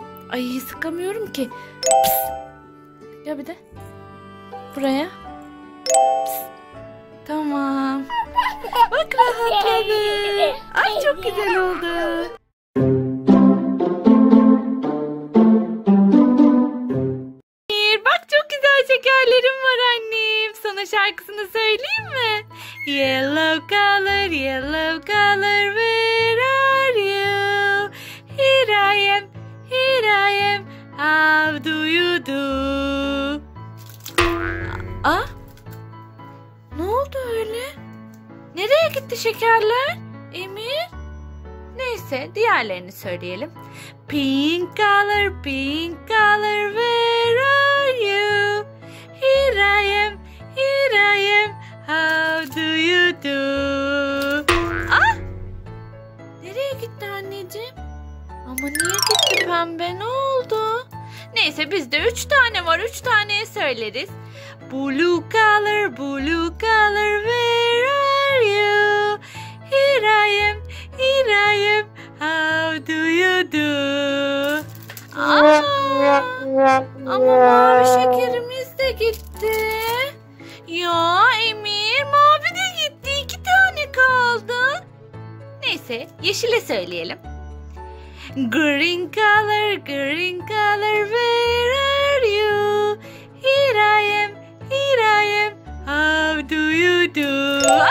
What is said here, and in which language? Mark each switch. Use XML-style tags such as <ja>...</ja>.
<tr>Ay sıkamıyorum ki. Pıs. Gel bir de. Buraya. Pıs. Tamam. Bak rahatladı. Ay çok güzel oldu. Emir bak çok güzel şekerlerim var annem. Sana şarkısını söyleyeyim mi?</tr> <en>Yellow color, yellow color, where are you? Here I am. Here I am, how do you do? Ah?</en> <tr>Ne oldu öyle? Nereye gitti şekerler? Emir? Neyse, diğerlerini söyleyelim.</tr> <en>Pink color, pink color, where are you? Here I am, here I am, how do you do? Ah?</en> <tr>Nereye gitti anneciğim? Ama niye gitti pembe, ne oldu? Neyse bizde 3 tane var, 3 taneyi söyleriz.</tr> <en>Blue color, blue color, where are you? Here I am, here I am, how do you do?</en> <tr>Aa, ama mavi şekerimiz de gitti. Ya Emir, mavi de gitti, 2 tane kaldı. Neyse yeşile söyleyelim.</tr> <en>Green color, green color, where are you? Here I am, here I am, how do you do?</en>